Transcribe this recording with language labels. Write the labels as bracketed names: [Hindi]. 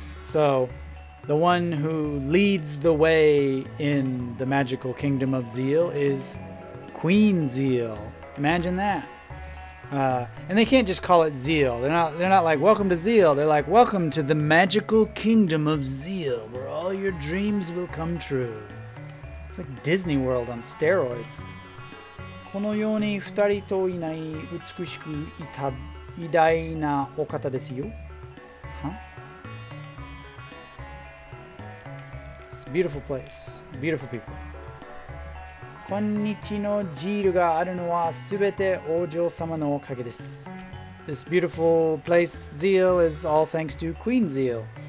[English] So, the one who leads the way in the magical kingdom of Zeal is Queen Zeal. Imagine that. And they can't just call it Zeal. They're not like, welcome to Zeal. They're like, welcome to the magical kingdom of Zeal, where all your dreams will come true. It's like Disney World on steroids. [Japanese] このように二人といない美しくいた偉大なお方ですよ。 Huh? [English] It's a beautiful place. Beautiful people. [Japanese] 今日のジールがあるのはすべて王女様のおかげです。 [English] This beautiful place, Zeal, is all thanks to Queen Zeal.